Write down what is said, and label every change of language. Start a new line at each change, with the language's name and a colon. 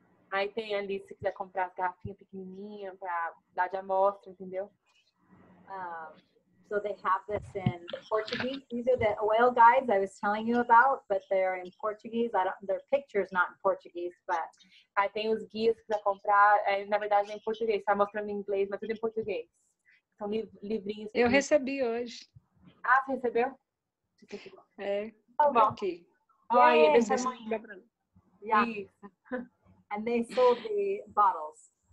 Portuguese: Aí tem ali, se quiser comprar garrafinha pequenininha para dar de amostra, entendeu?
English: So they have this in Portuguese. These are the oil guides I was telling you about, but they're in Portuguese. Their picture's not in Portuguese, but...
Portuguese: Aí tem os guias para comprar, na verdade é em português, está mostrando em inglês, mas tudo em português. São livrinhos. Eu recebi hoje. Ah, você recebeu? É. Oh, bom. Aqui. Olha,
English: yeah, yeah,
Portuguese: essa yeah. Manhã.
English: Yeah. Yeah. And they sold the bottles.